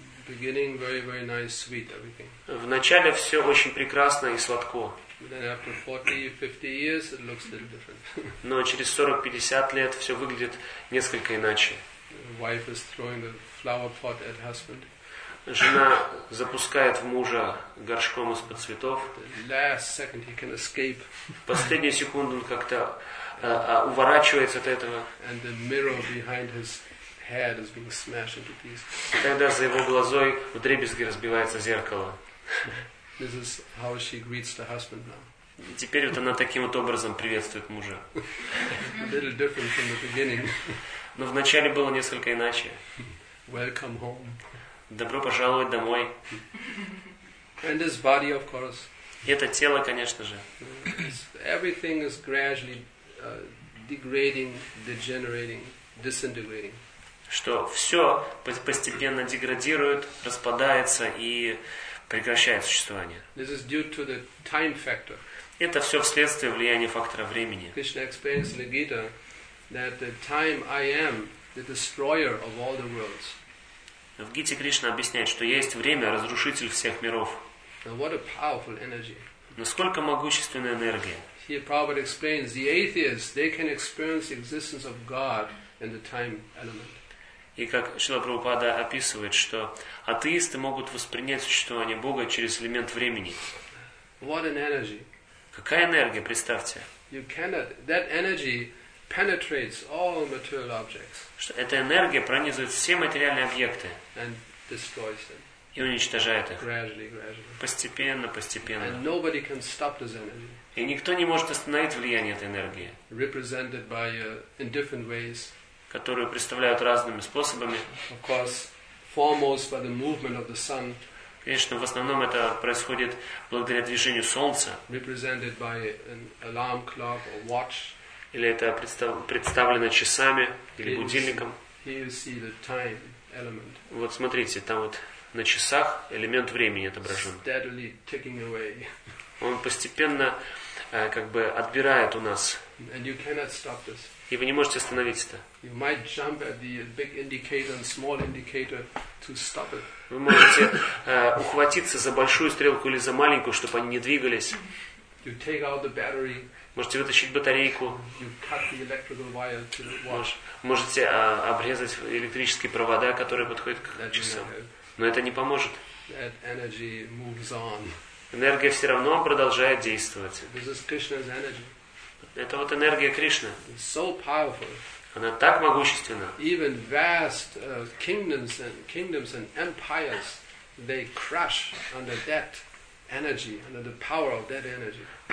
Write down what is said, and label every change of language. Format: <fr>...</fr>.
<en>Beginning very very nice sweet everything.</en> <ru>Вначале все очень прекрасно и сладко.</ru> <en>Then after 40-50 years it looks a little different.</en> <ru>Но через 40-50 лет все выглядит несколько иначе.</ru> <en>Wife is throwing a flower pot at husband.</en> <ru>Жена запускает в мужа горшком из-под цветов.</ru> <en>The last second he can escape.</en> <ru>Последнюю секунду он как-то уворачивается от этого.</ru> <en>And the mirror behind his head is being smashed into pieces.</en> <ru>И тогда за его глазой вдребезги разбивается зеркало.</ru> <en>This is how she greets the husband now.</en> <ru>И теперь вот она таким вот образом приветствует мужа.</ru> <en>A little different from the beginning.</en> <ru>Но вначале было несколько иначе.</ru> <en>Welcome home.</en> <ru>Добро пожаловать домой.</ru> <en>And this body, of course.</en> <ru>И это тело, конечно же.</ru> <en>Everything is gradually degrading, degenerating, disintegrating.</en> <ru>Что все постепенно деградирует, распадается и прекращает существование.</ru> <en>This is due to the time factor.</en> <ru>Это все вследствие влияния фактора времени.</ru> <en>Krishna explains in the Gita that the time I am, the destroyer of all the worlds.</en> <ru>В Гите Кришна объясняет, что есть время, разрушитель всех миров.</ru> <en>Now what a powerful energy.</en> <ru>Насколько могущественная энергия.</ru> <en>Here Prabhupada explains the atheists, they can experience the existence of God in the time element.</en> <ru>И как Шрила Прабхупада описывает, что атеисты могут воспринять существование Бога через элемент времени.</ru> <en>What an energy.</en> <ru>Какая энергия, представьте.</ru> <en>You cannot, that energy penetrates all material objects.</en> <ru>Что эта энергия пронизывает все материальные объекты.</ru> <en>And destroys them.</en> <ru>и уничтожает их.</ru> <en>Gradually.</en> <ru>Постепенно, постепенно.</ru> <en>And nobody can stop this energy.</en> <ru>И никто не может остановить влияние этой энергии,</ru> <en>represented by, in different ways,</en> <ru>которую представляют разными способами.</ru> <en>Of course, foremost by the movement of the sun,</en> <ru>конечно, в основном это происходит благодаря движению Солнца,</ru> <en>represented by an alarm clock or watch,</en> <ru>или это представлено часами или будильником.</ru> <en>Here you see the time element.</en> <ru>Вот смотрите, там вот на часах элемент времени отображен.</ru> <en>Steadily ticking away.</en> <ru>Он постепенно как бы отбирает у нас.</ru> <en>And you cannot stop this.</en> <ru>И вы не можете остановить это.</ru> <en>You might jump at the big indicator and small indicator to stop it.</en> <ru>Вы можете ухватиться за большую стрелку или за маленькую, чтобы они не двигались.</ru> <en>You take out the battery.</en> <ru>Можете вытащить батарейку.</ru> <en>You cut the electrical wire to the watch.</en> <ru>Можете обрезать электрические провода, которые подходят к часам. Но это не поможет.</ru> <en>That energy moves on.</en> <ru>Энергия все равно продолжает действовать.</ru> <en>This is Krishna's energy.</en> <ru>Это вот энергия Кришны.</ru> <en>So powerful.</en> <ru>Она так могущественна.</ru> <en>Even vast kingdoms and empires, they crush under that energy, under the power of that energy.</en>